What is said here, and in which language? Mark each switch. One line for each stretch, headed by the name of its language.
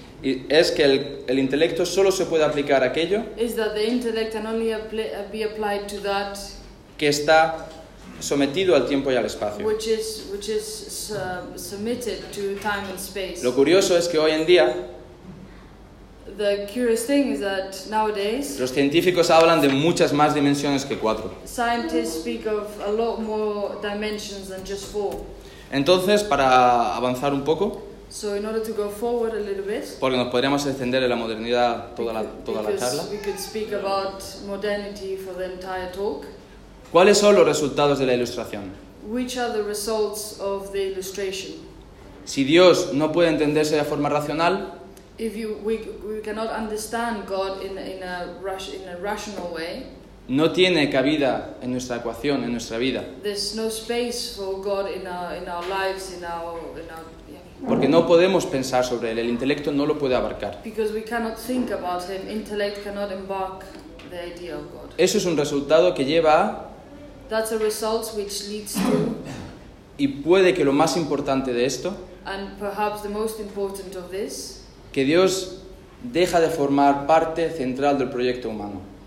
Spanish: es que el intelecto solo se puede aplicar a aquello,
English: is that the intellect can only be applied to that,
Spanish: que está sometido al tiempo y al espacio.
English: Which is submitted to time and space.
Spanish: Lo curioso es que hoy en día,
English: the curious thing is that nowadays,
Spanish: los científicos hablan de muchas más dimensiones que cuatro.
English: Scientists speak of a lot more dimensions than just four.
Spanish: Entonces, para avanzar un poco,
English: so in order to go forward a little bit,
Spanish: porque nos podríamos extender en la modernidad toda la charla,
English: we could speak about modernity for the entire talk.
Spanish: ¿Cuáles son los resultados de la ilustración?
English: Which are the results of the illustration?
Spanish: Si Dios no puede entenderse de forma racional,
English: if you we cannot understand God in a rational way,
Spanish: no tiene cabida en nuestra ecuación, en nuestra vida.
English: There's no space for God in our lives, in our
Spanish: porque no podemos pensar sobre él, el intelecto no lo puede abarcar.
English: Because we cannot think about him, intellect cannot embark the idea of God.
Spanish: Eso es un resultado que lleva a...
English: That's a result which leads to...
Spanish: Y puede que lo más importante de esto...
English: And perhaps the most important of this...
Spanish: Que Dios deja de formar parte central del proyecto humano.